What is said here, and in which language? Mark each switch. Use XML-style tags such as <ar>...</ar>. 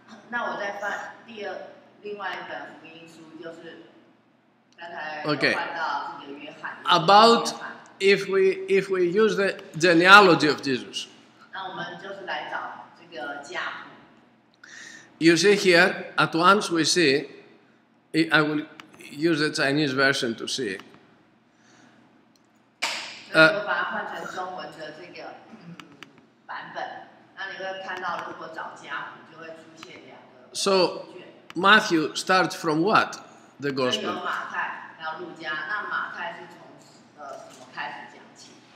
<zh>那我再翻另外一本福音书，就是刚才翻到这个约翰。</zh> <en>About if we use the genealogy of Jesus.</en> <zh>那我们就是来找这个家谱。</zh> <en>You see here, at once we see. I will use the Chinese version to see.</en> <zh>我把它换成中文的这个版本，那你会看到，如果找家谱，就会出现两个。</zh> <en>So Matthew starts from what the gospel?</en> <zh>有马太，还有路加。那马太是从什么开始讲起</zh>